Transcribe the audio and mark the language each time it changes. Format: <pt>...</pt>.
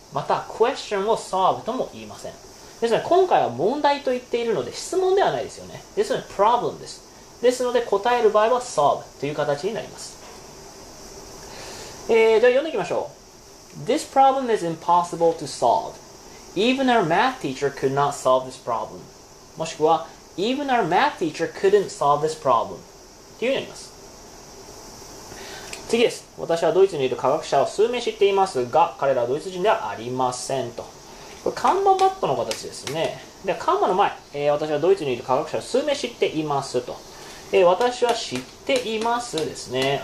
<ja>また、Question を Solve とも言いません。ですので、今回は問題と言っているので、質問ではないですよね。ですので、Problem です。ですので、答える場合は Solve という形になります。じゃあ読んでいきましょう。</ja> <en>This problem is impossible to solve. Even our math teacher could not solve this problem. もしくは、Even our math teacher couldn't solve this problem.</en> <ja>っていうようになります。次です。私はドイツにいる科学者を数名知っていますが、彼らはドイツ人ではありませんと。これ、カンマバットの形ですね。で、カンマの前、私はドイツにいる科学者を数名知っていますと。私は知っていますですね。</ja>